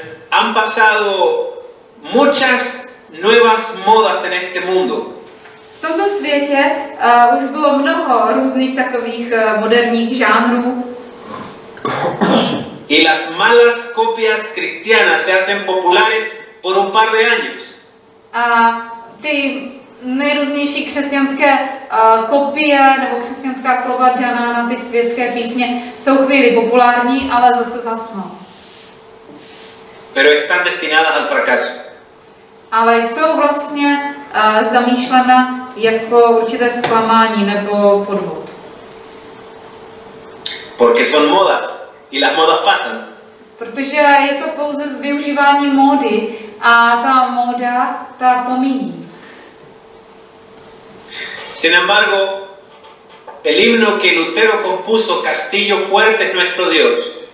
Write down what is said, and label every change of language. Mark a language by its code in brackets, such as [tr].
[es] Han pasado muchas nuevas modas en este mundo. [cs] V tomto světě už bylo mnoho různých takových moderních žánrů. [es] Y las malas copias cristianas se hacen populares por un par de años. [cs] A ty nejrůznější křesťanské kopie nebo křesťanská slova daná na ty světské písně jsou chvíli populární, ale zase zasnou. [es] pero están destinadas al fracaso. [cs] Ale jsou vlastně zamýšlena jako určité zklamání nebo podvod. [es] Porque son modas y las modas pasan. [cs] Protože je to pouze z využívání módy a ta móda ta pomíjí. [es] Sin embargo, el himno que Lutero compuso, Castillo fuerte es nuestro Dios.